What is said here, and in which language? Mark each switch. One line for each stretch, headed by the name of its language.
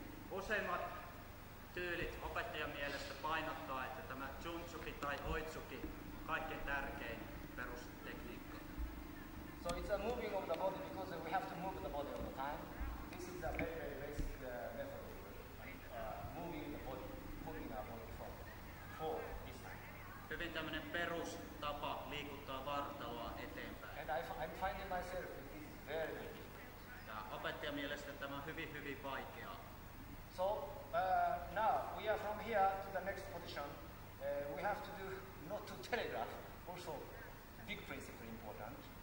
Finnish: Useimmat tyylit opettajan mielestä painottaa, että tämä Junzuki tai Oitsuki on kaikkein tärkein perustekniikka.
English: So it's a moving of the body because we have to move the body all the time. This is a very, very basic method of moving the body, pulling our body forward.
Finnish: Hyvin tämmöinen perustapa liikuttaa vartaloa eteenpäin.
English: And I'm finding myself that this is very difficult.
Finnish: Ja opettajan mielestä tämä on hyvin, hyvin vaikea.
English: So now we are from here to the next position. We have to do not to telegraph. Also, big principle important.